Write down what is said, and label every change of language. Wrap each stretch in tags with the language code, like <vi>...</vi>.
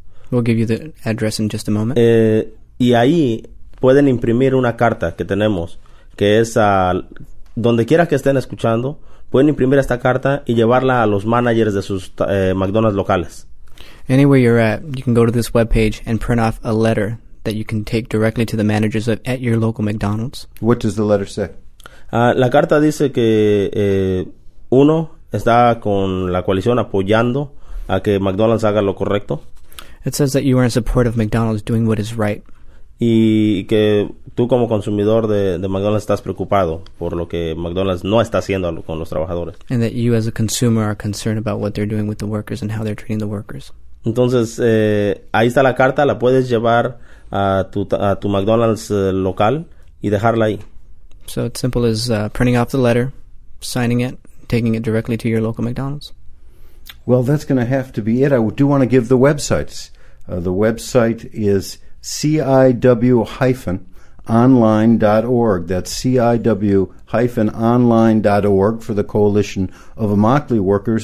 <en>We'll give you the address in just a moment.</en> <es>Y ahí pueden imprimir una carta que tenemos, que es a donde quiera que estén escuchando, pueden imprimir esta carta y llevarla a los managers de sus McDonald's locales.</es> <en>Anywhere you're at, you can go to this webpage and print off a letter that you can take directly to the managers at your local McDonald's. What does the letter say?</en> <es>La carta dice que uno está con la coalición apoyando a que McDonald's haga lo correcto.</es> <en>It says that you are in support of McDonald's doing what is right.</en> <es>Y que tú como consumidor de McDonald's estás preocupado por lo que McDonald's no está haciendo con los trabajadores.</es> <en>And that you as a consumer are concerned about what they're doing with the workers and how they're treating the workers.</en> <es>Entonces, ahí está la carta, la puedes llevar a tu McDonald's local y dejarla ahí.</es> <en>So it's simple as printing off the letter, signing it, taking it directly to your local McDonald's. Well, that's going to have to be it. I do want to give the websites. The website is CIW-online.org. That's CIW-online.org for the Coalition of Immokalee Workers.</en>